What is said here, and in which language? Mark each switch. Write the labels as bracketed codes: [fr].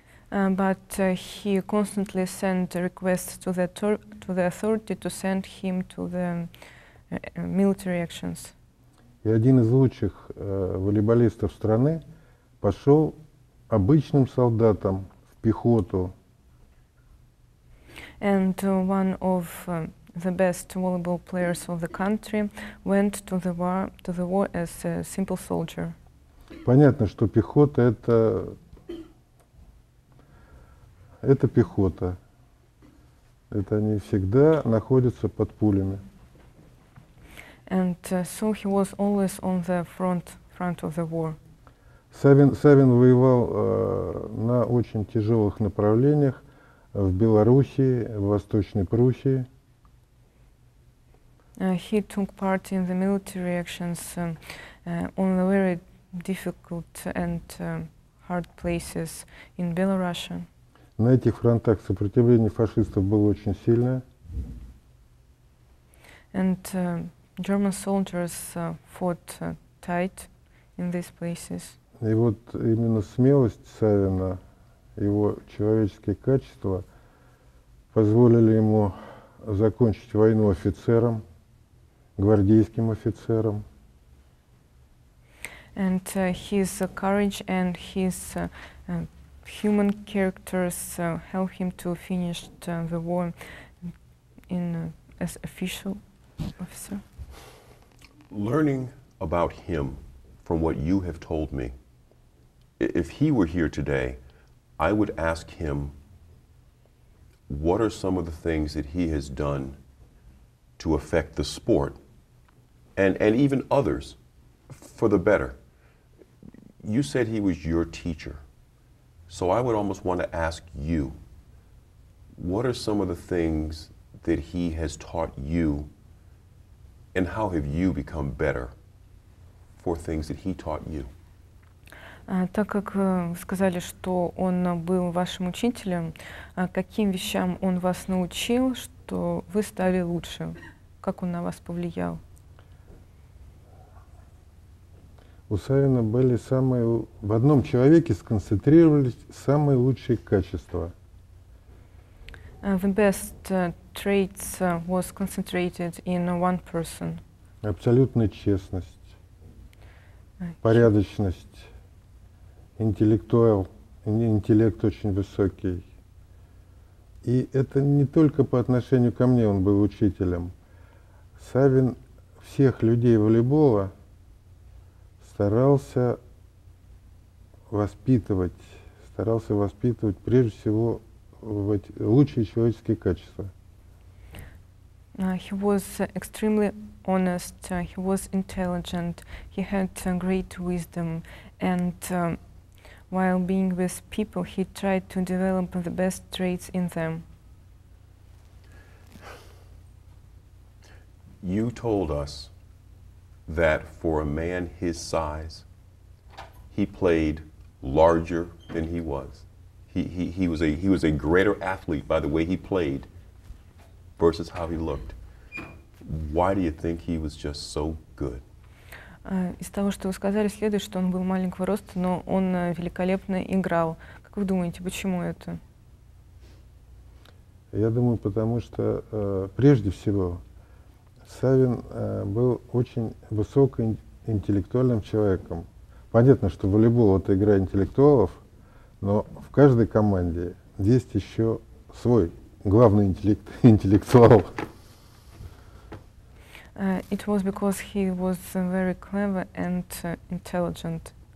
[en] But he constantly sent requests to the authority to send him to the military actions. [ru] И один из лучших волейболистов страны пошел обычным солдатом в пехоту. [en] And one of the best volleyball players of the country went to the war as a simple soldier. [ru] Понятно, что пехота – это пехота. Это они всегда находятся под пулями. [en] And so he was always on the front of the war. [ru] Савин воевал на очень тяжелых направлениях в Белоруссии, в Восточной Пруссии. [en] He took part in the military actions on the very difficult and hard places in Belarus. [ru] На этих фронтах сопротивление фашистов было очень сильное. [en] And German soldiers fought tight in these places. [ru] И вот именно смелость Савина, его человеческие качества позволили ему закончить войну офицером, гвардейским офицером. [en] And his courage and his human characters help him to finish the war in as official officer. Learning about him from what you have told me, if he were here today, I would ask him, what are some of the things that he has done to affect the sport and even others for the better. You said he was your teacher. So I would almost want to ask you, what are some of the things that he has taught you, and how have you become better for things that he taught you? [ru] Так как сказали, что он был вашим учителем, каким вещам он вас научил, что вы стали лучше? Как он на вас повлиял? У Савина были самые, в одном человеке сконцентрировались самые лучшие качества. [en] The best traits was concentrated in one person. [ru] Абсолютная честность, порядочность. Интеллектуал, интеллект очень высокий. И это не только по отношению ко мне, он был учителем. Савин всех людей волейбола старался воспитывать прежде всего в эти лучшие человеческие качества. [en] He was extremely honest, he was intelligent, he had great wisdom, and while being with people, he tried to develop the best traits in them. You told us that for a man his size, he played larger than he was. He was a greater athlete by the way he played versus how he looked. Why do you think he was just so good? [ru] Из того, что вы сказали, следует, что он был маленького роста, но он великолепно играл. Как вы думаете, почему это? Я думаю, потому что, прежде всего, Савин был очень высокоинтеллектуальным человеком. Понятно, что волейбол – это игра интеллектуалов, но в каждой команде есть еще свой главный интеллектуал. [en] It was because he was very clever and intelligent.